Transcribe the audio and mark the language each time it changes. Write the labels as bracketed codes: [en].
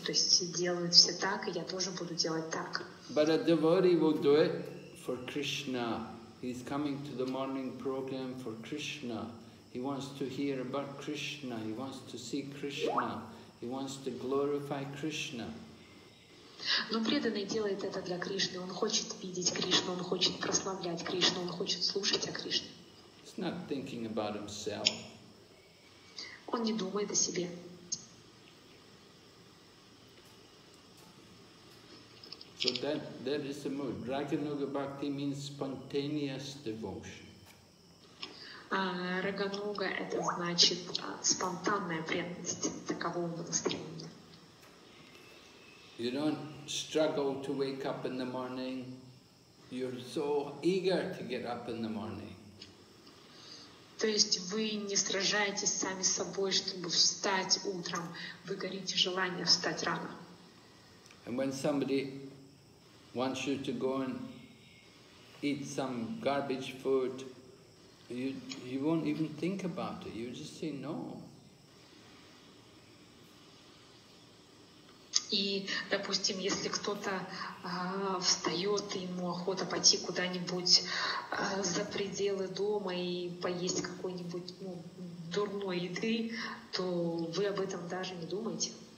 [ru] То есть делают все так, и я тоже буду делать так. [en] But a devotee will do it for Krishna. He's coming to the morning program for Krishna. He wants to hear about Krishna. He wants to see Krishna. He wants to glorify Krishna. [ru] Но преданный делает это для Кришны. Он хочет видеть Кришну, он хочет прославлять Кришну, он хочет слушать о Кришне. [en] He's not thinking about himself. [ru] Он не думает о себе. [en] So that is the mood. Raganuga Bhakti means spontaneous devotion. [ru] Рагануга – это значит спонтанная преданность такового настроения. [en] You don't struggle to wake up in the morning. You're so eager to get up in the morning. [ru] То есть вы не сражаетесь сами с собой, чтобы встать утром. Вы горите желанием встать рано. [en] And when somebody wants you to go and eat some garbage food, you won't even think about it. You just say no. [ru] И, допустим, если кто-то встает, и ему охота пойти куда-нибудь за пределы дома и поесть какой-нибудь дурной еды, то вы об этом даже не думаете.